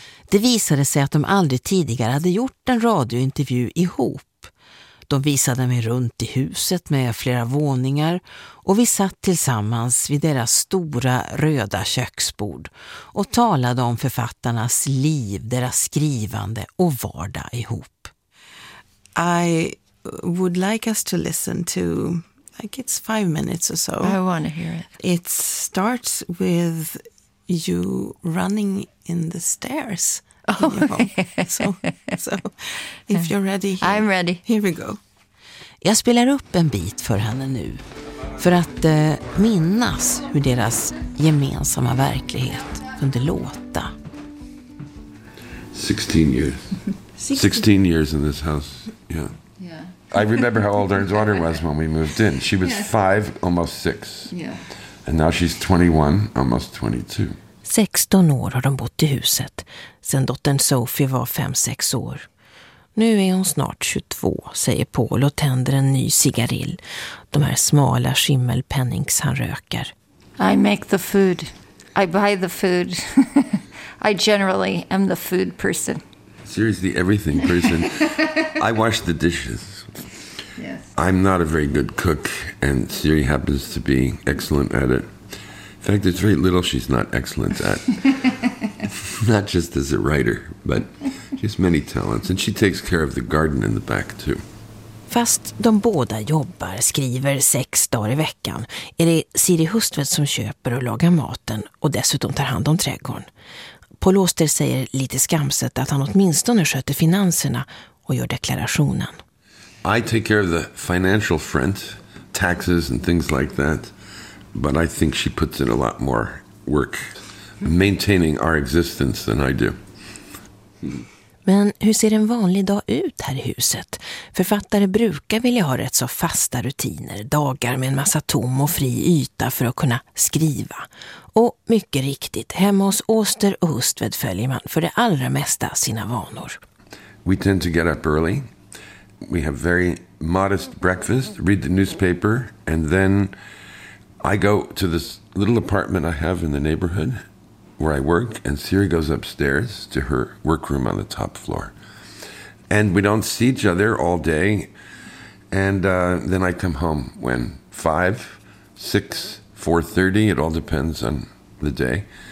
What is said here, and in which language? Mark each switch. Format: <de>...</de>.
<sv>Det visade sig att de aldrig tidigare hade gjort en radiointervju ihop. De visade mig runt i huset med flera våningar och vi satt tillsammans vid deras stora röda köksbord och talade om författarnas liv, deras skrivande och vardag ihop.</sv> <en>I would like us to listen to, like it's 5 minutes or so. I want to hear it. It starts with you running in the stairs. Okay. So if you're ready. Here, I'm ready. Here we go.</en> <sv>Jag spelar upp en bit för henne nu för att minnas hur deras gemensamma verklighet kunde låta.</sv> <en>16 years. 16 years in this house. Yeah. Yeah. I remember how old our daughter was when we moved in. She was 5, almost 6. Yeah. And now she's 21, almost 22.</en> <sv>16 år har de bott i huset sen dottern Sophie var 5-6 år. Nu är hon snart 22, säger Paul och tänder en ny cigarill. De här smala skimmelpennings han röker.</sv> <en>I make the food. I buy the food. I generally am the food person. Seriously, everything person. I wash the dishes. Yes. I'm not a very good cook and Siri happens to be excellent at it. In fact, there's very little she's not excellent at. Not just as a writer, but she has many talents. And she takes care of the garden in the back, too.</en> <sv>Fast de båda jobbar, skriver 6 dagar i veckan, är det Siri Hustvedt som köper och lagar maten och dessutom tar hand om trädgården. Paul Auster säger lite skamset att han åtminstone sköter finanserna och gör deklarationen.</sv> <en>I take care of the financial front, taxes and things like that. But I think she puts in a lot more work maintaining our existence than I do.</en> <sv>Men hur ser en vanlig dag ut här i huset? Författare brukar vilja ha rätt så fasta rutiner, dagar med en massa tom och fri yta för att kunna skriva. Och mycket riktigt, hemma hos Auster och Hustvedt följer man för det allra mesta sina vanor.</sv> <en>We tend to get up early. We have very modest breakfast, read the newspaper and then I go to this little apartment I have in the neighborhood where I work, and Siri goes upstairs to her workroom on the top floor. And we don't see each other all day. And then I come home when 5, 6, 4:30, it all depends on the day.</en>